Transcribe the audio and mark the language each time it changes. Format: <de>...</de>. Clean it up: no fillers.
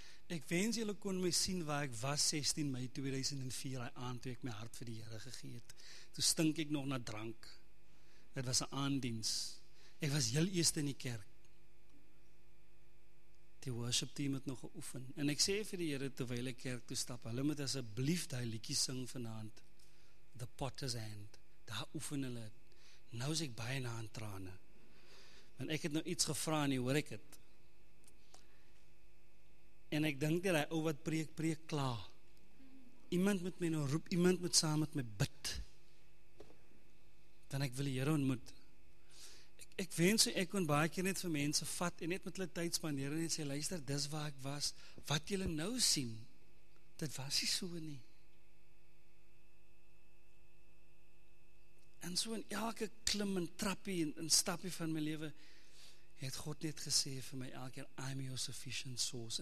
<af>Ek wens julle kon my sien waar ek was 16 Mei 2004, die aand toe ek my hart vir die Here gegee het. Toe stink ek nog na drank. Dit was 'n aanddiens. Ek was heel eerste in die kerk. Die worship team het nog geoefen. En ek sê vir die Here terwyl ek kerk toe stap, hulle moet asseblief daai liedjie sing vanaand, The Potter's Hand. Daar oefen hulle. Nou is ek baie na in trane. Want ek het nou iets gevra en hoor ek het. En ek dink dat hy ou wat preek klaar. Iemand moet my nou roep, iemand moet saam met my bid. Dan ek wil die Here ontmoet. Ek wens ek kon baie keer net vir mense vat en net met hulle tyd spandeer en sê, luister, dis waar ek was. Wat julle nou sien, dit was nie so nie. En so in elke klim en trappie en stappie van my lewe, het God net gesê vir my elke keer,</af> <en>I'm your sufficient source.</en>